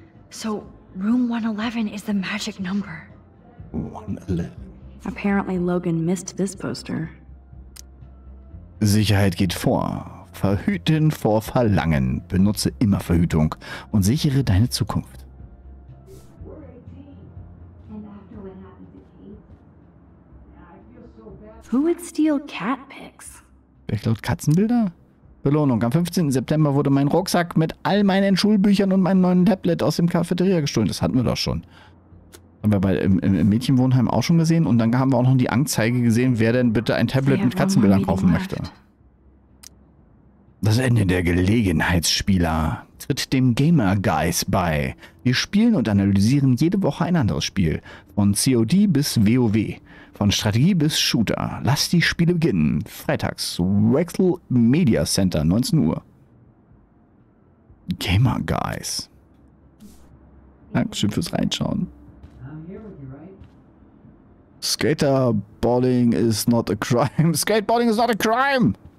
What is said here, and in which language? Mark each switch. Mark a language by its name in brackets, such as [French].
[English] So, room 111 is the magic number. 111. Apparently Logan missed this poster. [German] Sicherheit geht vor. Verhüten vor Verlangen. Benutze immer Verhütung und sichere deine Zukunft. [English] Who would steal cat pics? [German] Wer klaut Katzenbilder? Belohnung. Am 15. September wurde mein Rucksack mit all meinen Schulbüchern und meinem neuen Tablet aus dem Cafeteria gestohlen. Das hatten wir doch schon. Haben wir bei, im Mädchenwohnheim auch schon gesehen. Und dann haben wir auch noch die Anzeige gesehen, wer denn bitte ein Tablet mit Katzenbildern kaufen möchte. Das Ende der Gelegenheitsspieler. Tritt dem Gamer Guys bei. Wir spielen und analysieren jede Woche ein anderes Spiel. Von COD bis WoW. Von Strategie bis Shooter. Lass die Spiele beginnen. Freitags. Wechsel Media Center, 19 Uhr. Gamer Guys. Dankeschön fürs Reinschauen. [English] Skaterboarding is not a crime. Skateboarding is not a crime!